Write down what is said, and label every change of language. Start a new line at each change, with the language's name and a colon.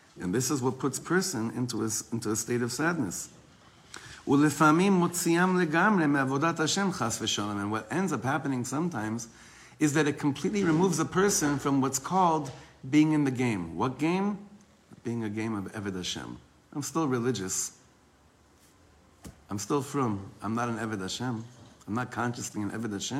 English: And this is what puts person into a state of sadness.
Hebrew: ולפעמים מוציאם לגמרי מעבודת השם חס ושלום.
English: And what ends up happening sometimes is that it completely removes a person from what's called being in the game. What game? Being a game of Eved Hashem. I'm still religious. I'm still frum. I'm not an Eved Hashem. I'm not consciously an Eved Hashem.